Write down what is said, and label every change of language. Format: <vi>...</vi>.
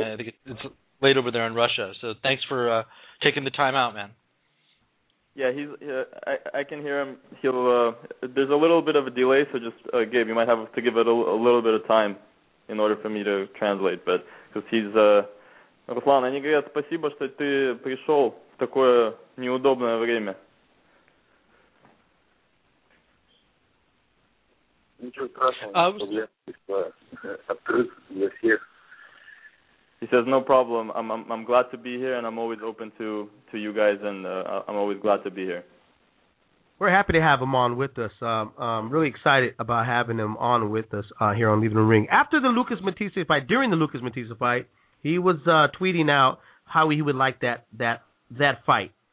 <en>Right. I think it's late over there in Russia. So thanks for taking the time out, man. Yeah, he's. I can hear him. He'll. There's a little bit of a delay, so just Gabe, you might have to give it a little bit of time in order for me to translate, but because he's.</en> <ru>Руслан, они говорят, спасибо, что ты пришел в такое неудобное время. Ничего страшного, я открыт для всех.</ru> <en>He says, no problem, I'm glad to be here, and I'm always open to you guys, and I'm always glad to be here. We're happy to have him on with us. Really excited about having him on with us here on Leaving the Ring. After the Lucas Matisse fight, during the Lucas Matisse fight, he was tweeting out how he would like that fight.</en>